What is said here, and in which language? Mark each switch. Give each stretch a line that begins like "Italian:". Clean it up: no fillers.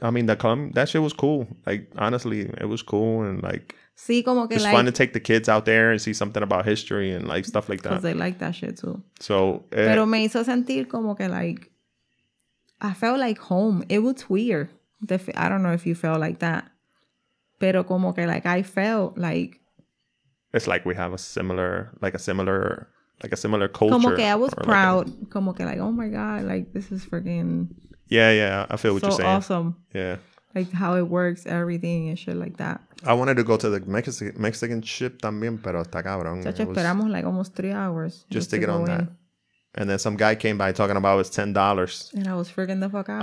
English: I mean, that shit was cool. Like, honestly, it was cool and like.
Spanish: See, como que
English: it's like, fun to take the kids out there and see something about history and like stuff like that. Because they like that shit too. So,
Spanish: pero me hizo sentir como que
English: like I felt like home. It was weird. I don't know if you felt like that.
Spanish: Pero como que,
English: like, I felt like... It's like we have a similar, like, a similar, like, a similar culture.
Spanish: Como que
English: I was proud. Like
Spanish: como que,
English: like, oh, my God, like, this is freaking... Yeah, yeah, I feel what so you're saying. So awesome. Yeah. Like, how it works, everything and shit like that. I wanted to go to the Mexican ship
Spanish: también, pero está cabrón.
English: Such
Spanish: esperamos,
English: like, almost 3 hours. Just to get on that. And then some guy came by talking about it was $10. And I was freaking the fuck out.